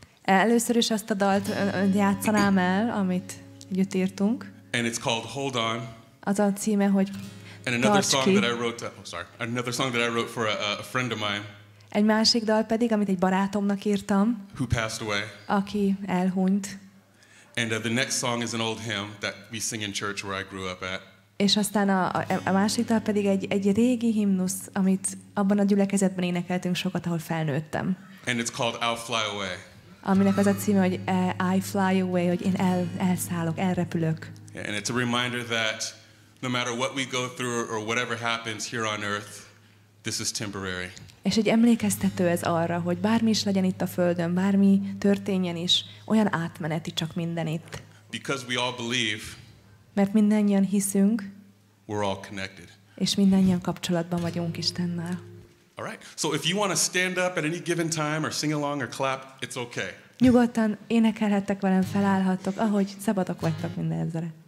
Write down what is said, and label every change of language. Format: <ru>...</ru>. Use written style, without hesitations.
<hu>Először is azt a dalt játszanám el, amit együtt írtunk.</hu> <en>And it's called Hold On.</en> <hu>Az a címe, hogy</hu> <en>And another Tarts song ki. That I wrote. Another song that I wrote for a friend of mine.</en> <hu>Egy másik dal pedig, amit egy barátomnak írtam.</hu> <en>Who passed away.</en> <hu>Aki elhunyt.</hu> <en>And the next song is an old hymn that we sing in church where I grew up at.</en> <hu>És aztán a másik dal pedig egy régi himnusz, amit abban a gyülekezetben énekeltünk sokat, ahol felnőttem.</hu> <en>And it's called I'll Fly Away.</en> <hu>Aminek az a címe, hogy I Fly Away, hogy én elszállok, elrepülök.</hu> <en>Yeah, and it's a reminder that no matter what we go through or whatever happens here on earth, this is temporary.</en> <hu>És egy emlékeztető ez arra, hogy bármi is legyen itt a Földön, bármi történjen is, olyan átmeneti csak minden itt.</hu> <en>Because we all believe,</en> <hu>mert mindannyian hiszünk,</hu> <en>we're all connected.</en> <hu>És mindannyian kapcsolatban vagyunk Istennel.</hu> <en>All right. So if you want to stand up at any given time or sing along or clap, it's okay.</en> <hu>Nyugodtan énekelhettek velem, felállhattok, ahogy szabadok vagytok mindezre.</hu>